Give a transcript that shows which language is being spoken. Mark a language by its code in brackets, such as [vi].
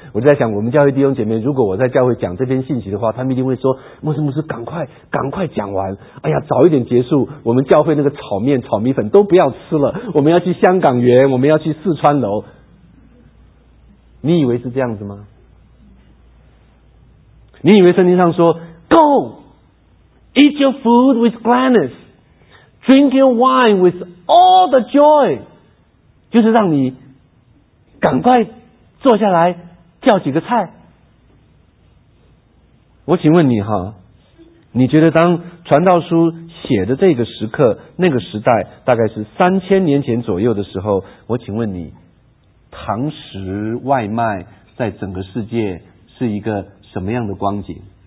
[zh] 我就在想，我们教会弟兄姐妹，如果我在教会讲这篇信息的话，他们一定会说，牧师赶快讲完，哎呀早一点结束，我们教会那个炒面炒米粉都不要吃了，我们要去香港园，我们要去四川楼。你以为是这样子吗？你以为圣经上说 [en] Go eat your food with gladness, drink your wine with all the joy， [zh] 就是让你赶快坐下来叫几个菜。我请问你哈，你觉得当传道书写的这个时刻，那个时代大概是3000年前左右的时候，我请问你，堂食外卖在整个世界是一个什么样的光景？